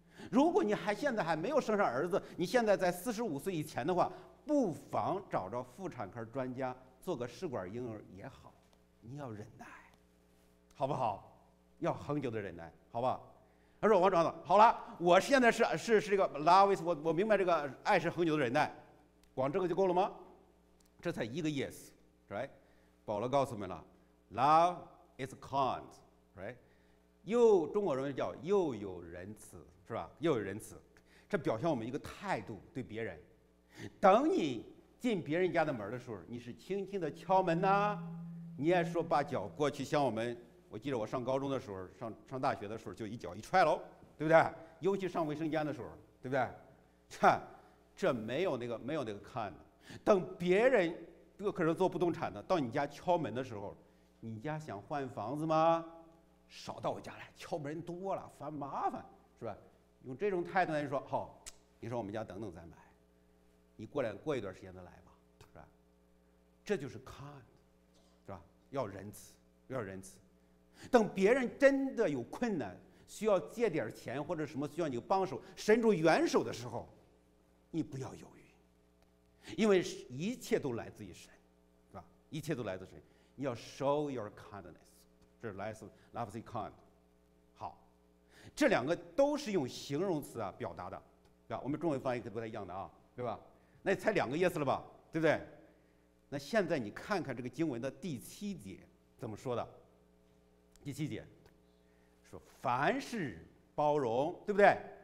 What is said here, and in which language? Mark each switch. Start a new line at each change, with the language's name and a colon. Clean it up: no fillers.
Chinese: 如果你还现在还没有生上儿子，你现在在45岁以前的话，不妨找着妇产科专家做个试管婴儿也好。你要忍耐，好不好？要恒久的忍耐，好吧？他说：“王长子，好了，我现在是这个
English: love is，
Chinese: 我明白这个爱是恒久的忍耐，光这个就够了吗？这才一个
English: yes， right？
Chinese: 保罗告诉我们了 ，
English: love is kind， right？
Chinese: 又中国人叫又有仁慈，是吧？又有仁慈，这表现我们一个态度对别人。等你进别人家的门的时候，你是轻轻的敲门呐。” 你也说把脚过去，像我们，我记得我上高中的时候，上大学的时候，就一脚一踹喽，对不对？尤其上卫生间的时候，对不对？这没有那个看的。等别人有可能做不动产的到你家敲门的时候，你家想换房子吗？少到我家来，敲门多了，烦麻烦，是吧？用这种态度来说，好，你说我们家等等再买，你过一段时间再来吧，是吧？这就是看。要仁慈，要仁慈。等别人真的有困难，需要借点钱或者什么需要你帮手，伸出援手的时候，你不要犹豫，因为一切都来自于神，是吧？一切都来自神。你要
English: show your kindness，
Chinese: 这是来自
English: love is kind。
Chinese: 好，这两个都是用形容词啊表达的，对吧？我们中文翻译可不太一样的啊，对吧？那才两个意思了吧，对不对？那现在你看看这个经文的第七节怎么说的？第七节说：“凡事包容，对不对？